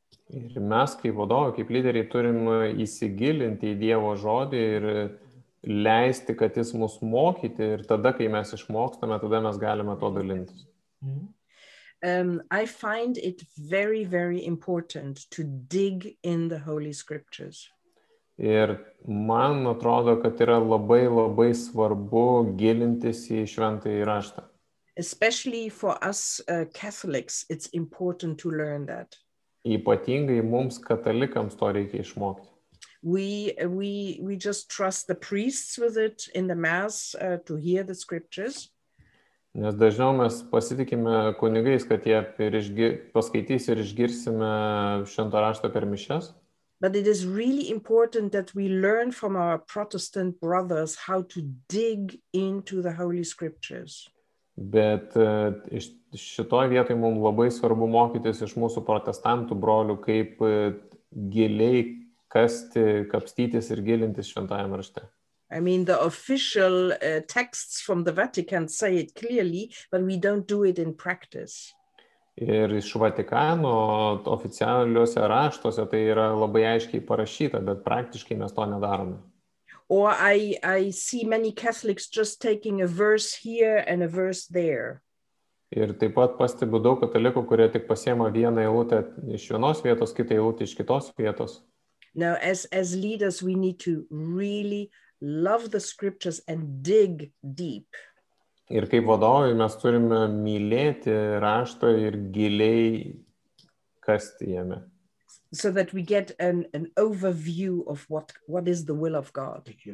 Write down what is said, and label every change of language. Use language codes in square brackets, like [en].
[lt] Ir mes kaip vadovai, kaip lyderiai turim įsigilinti į Dievo žodį ir leisti, kad jis mus mokyti ir tada, kai mes išmokstame, tada mes galime to dalintis. [en] I find it very, very important to dig in the Holy Scriptures. [lt] Ir man atrodo, kad yra labai, labai svarbu gilintis į šventąjį raštą. [en] Especially for us Catholics, it's important to learn that. [lt] Ypatingai mums, katalikams, to reikia išmokti. [en] We just trust the priests with it in the mass to hear the scriptures. [lt] Nes dažniau mes pasitikime kunigais, kad jie ir paskaitys ir išgirsime šventą raštą per mišes. [en] But it is really important that we learn from our Protestant brothers how to dig into the Holy Scriptures. [lt] Bet šitoje vietoje mums labai svarbu mokytis iš mūsų protestantų brolių, kaip giliai kasti, kapstytis ir gilintis šventajame rašte. [en] I mean, the official texts from the Vatican say it clearly, but we don't do it in practice. [lt] Ir iš Vatikano oficialiuose raštuose tai yra labai aiškiai parašyta, bet praktiškai mes to nedarome. [en] Or I see many Catholics just taking a verse here and a verse there. [lt] Ir taip pat pastebiu daug katalikų, kurie tik pasiema vieną eilutę iš vienos vietos, kitą eilutę iš kitos vietos. [en] Now, as leaders, we need to really love the scriptures and dig deep. [lt] Ir kaip vadovai, mes turime mylėti raštą ir giliai kasti jame. [en] So that we get an overview of what is the will of God.